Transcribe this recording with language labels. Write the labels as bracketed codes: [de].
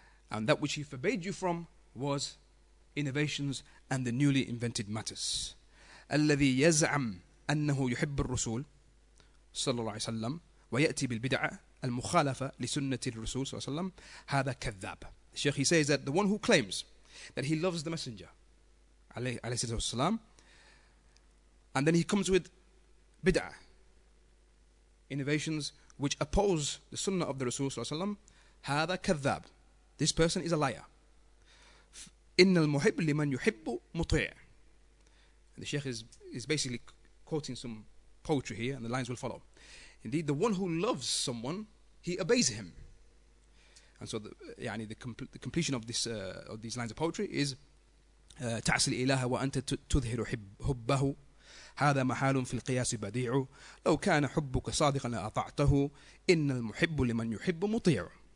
[en] And that which he forbade you from was innovations and the newly invented matters. [ar] الذي يزعم أنه يحب الرسول صلى الله عليه وسلم ويأتي بالبدعة المخالفة لسنة الرسول صلى الله عليه وسلم هذا كذاب. [en] The Sheikh, he says that the one who claims that he loves the Messenger عليه السلام, and then he comes with bid'ah, innovations which oppose the sunnah of the Rasul صلى الله عليه وسلم, [ar] هذا كذاب. [en] This person is a liar. [ar] إِنَّ الْمُحِبُّ لِمَنْ يُحِبُّ مُطِيعُ. [en] And the Sheikh is basically quoting some poetry here, and the lines will follow. Indeed, the one who loves someone, he obeys him. And so the completion of this of these lines of poetry is [ar] تعصي الإله وأنت تظهر حبه هذا محال في القياس بديع لو كان حبك صادقا لأطعته إن المحب لمن يحب مطيع.